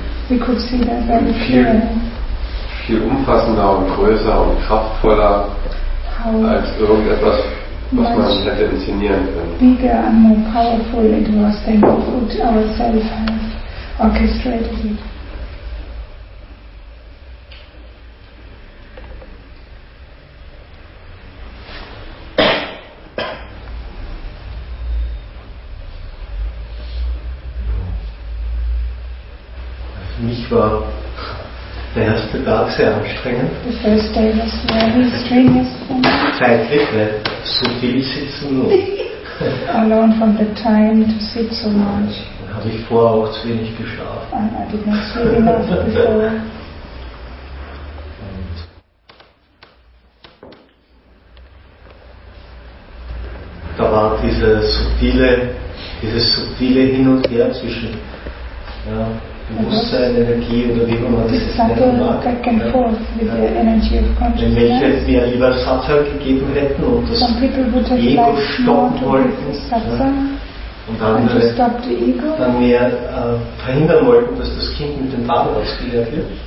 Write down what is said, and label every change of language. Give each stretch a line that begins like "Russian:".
German: Viel umfassender und größer und kraftvoller als irgendetwas, was man hätte inszenieren können.
English: Bigger and more powerful it was than we could ourselves have orchestrated it.
German: Sehr anstrengend.
English: The first day was very strenuous for me.
German: Zeitlich, weil so viel sitzen nur.
English: Alone from the time to sit so much.
German: Dann habe ich vorher auch zu wenig geschlafen.
English: I did not sleep enough before.
German: Da war dieses subtile Hin und Her zwischen ja, Bewusstsein, Energie oder wie man das nennen mag.
English: Back and forth with the energy of consciousness.
German: Wenn welche mir lieber Satsang gegeben hätten und das Ego stoppen wollten, und dann mehr verhindern wollten, dass das Kind mit dem Bade ausgeleert wird.